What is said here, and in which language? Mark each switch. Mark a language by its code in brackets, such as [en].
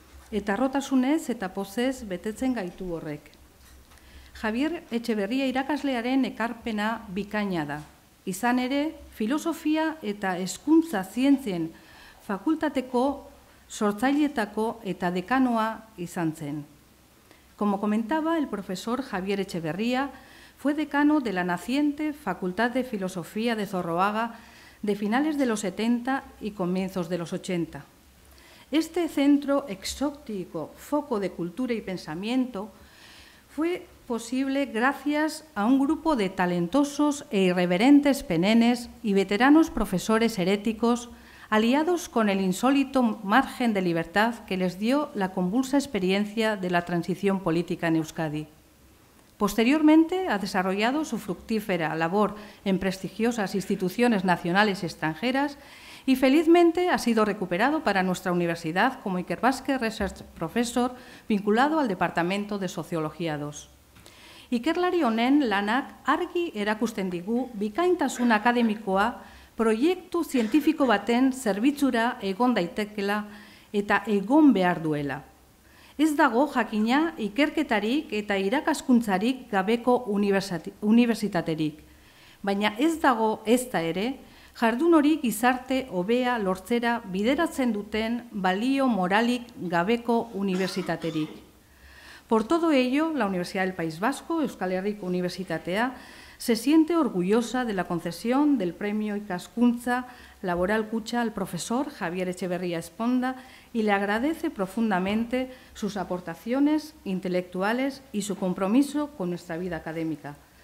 [eu] Eta harrotasunez eta pozez betetzen gaitu horrek. Javier Etxeberria irakaslearen ekarpena bikaina da. Izan ere, filosofia eta hezkuntza zientzien fakultateko sortzailetako eta dekanoa izan zen. [es] Como comentaba el profesor Javier Etxeberria, fue decano de la naciente Facultad de Filosofía de Zorroaga de finales de los 70 y comienzos de los 80. Este centro exótico, foco de cultura y pensamiento, fue posible gracias a un grupo de talentosos e irreverentes penenes y veteranos profesores heréticos, aliados con el insólito margen de libertad que les dio la convulsa experiencia de la transición política en Euskadi. Posteriormente, ha desarrollado su fructífera labor en prestigiosas instituciones nacionales y extranjeras y felizmente ha sido recuperado para nuestra universidad como Iker Vázquez Research Professor vinculado al Departamento de Sociología II. [eu] Ikerlari honen lanak argi erakusten digu bikaintasun akademikoa proiektu zientifiko baten zerbitzura egon daitekela eta egon behar duela. Ez dago jakina ikerketarik eta irakaskuntzarik gabeko unibertsitaterik, baina ez dago ez da ere jardun hori gizarte hobea lortzera bideratzen duten balio moralik gabeko unibertsitaterik. [es] Por todo ello, la Universidad del País Vasco, Euskal Herriko Unibertsitatea, se siente orgullosa de la concesión del premio Ikaskuntza Laboral Kutxa al profesor Javier Etxeberria Esponda y le agradece profundamente sus aportaciones intelectuales y su compromiso con nuestra vida académica.